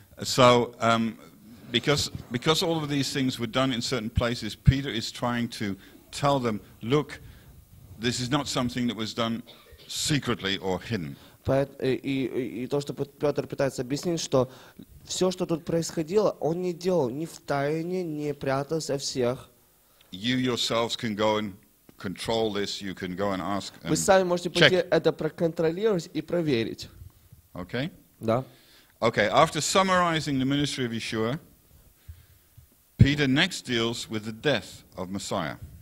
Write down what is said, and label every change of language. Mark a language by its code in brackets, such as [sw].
[en] So because all of these things were done in certain places, Peter is trying to tell them, look, this is not something that was done secretly or hidden. [ru] И то, что Петр пытается объяснить, что все, что тут происходило, он не делал ни в тайне, ни прятался всех. [en] You yourselves can go and control this, you can go and ask and [ru] вы сами можете пойти это проконтролировать и проверить. [en] Okay. [ru] Да. [en] Okay, after summarizing the ministry of Yeshua, Peter next deals with the death of Messiah.